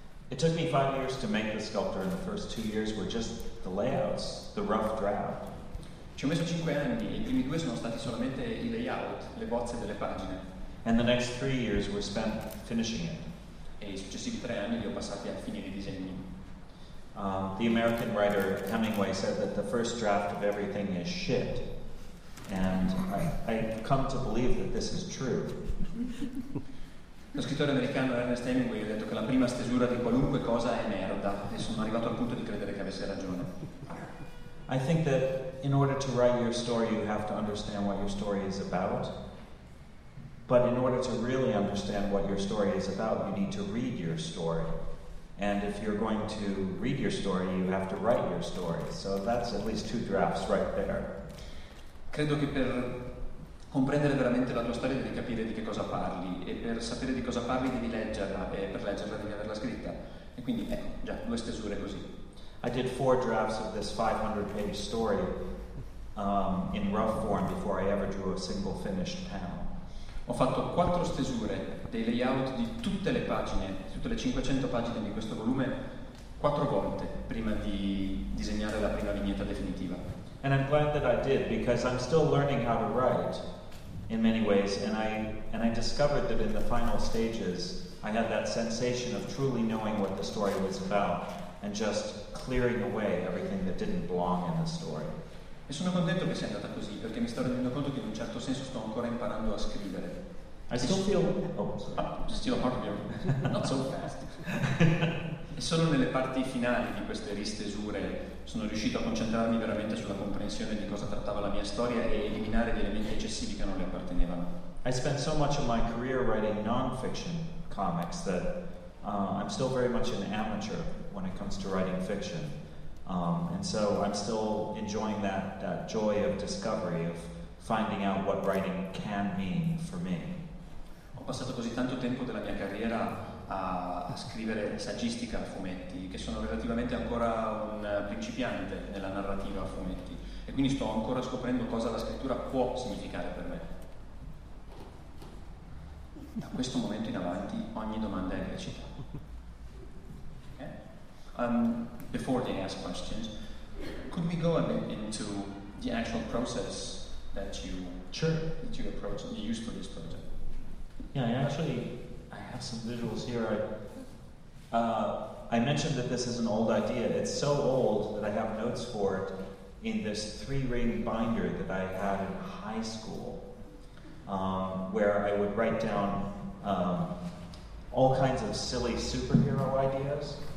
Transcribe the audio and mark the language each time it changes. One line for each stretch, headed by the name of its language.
English: It took me 5 years to make the sculpture, and the first 2 years were just the layouts, the rough draft.
Italian: Ci ho messo 5 anni, e I primi 2 sono stati solamente I layout, le bozze delle pagine.
English: And the next 3 years were spent finishing it.
Italian: E I successivi 3 anni li ho passati a finire I disegni.
English: The American writer Hemingway said that the first draft of everything is shit. And I come to believe that this is true.
Italian: Lo scrittore americano Ernest Hemingway ha detto che la prima stesura di qualunque cosa è merda e sono arrivato al punto di credere che avesse ragione.
English: I think that in order to write your story you have to understand what your story is about. But in order to really understand what your story is about you need to read your story. And if you're going to read your story you have to write your story. So that's at least 2 drafts right there.
Italian: Credo che per comprendere veramente la tua storia devi capire di che cosa parli e per sapere di cosa parli devi leggerla e per leggerla devi averla scritta e quindi ecco già 2 stesure così.
English: I did 4 drafts of this 500-page story in rough form before I ever drew a single finished panel.
Italian: Ho fatto 4 stesure dei layout di tutte le pagine, tutte le 500 pagine di questo volume 4 volte prima di disegnare la prima vignetta definitiva.
English: And I'm glad that I did because I'm still learning how to write in many ways and I discovered that in the final stages I had that sensation of truly knowing what the story was about and just clearing away everything that didn't belong in the story.
Italian: E sono contento che sia andata così perché mi sto rendendo conto che in un certo senso sto ancora imparando a scrivere.
English: I still feel still harder, not so fast.
Italian: E solo nelle parti finali di queste ristesure sono riuscito a concentrarmi veramente sulla comprensione di cosa trattava la mia storia e eliminare gli elementi eccessivi che non le appartenevano.
English: I spent so much of my career writing non-fiction comics that I'm still very much an amateur when it comes to writing fiction. And so I'm still enjoying that joy of discovery, of finding out what writing can mean for me.
Italian: Ho passato così tanto tempo della mia carriera a scrivere saggistica a fumetti, che sono relativamente ancora un principiante nella narrativa a fumetti, e quindi sto ancora scoprendo cosa la scrittura può significare per me. Da questo momento in avanti ogni domanda è lecita.
English: Okay? Before they ask questions, could we go a bit into the actual process that you used for this project? Yeah, I have some visuals here. I mentioned that this is an old idea. It's so old that I have notes for it in this 3-ring binder that I had in high school, where I would write down all kinds of silly superhero ideas.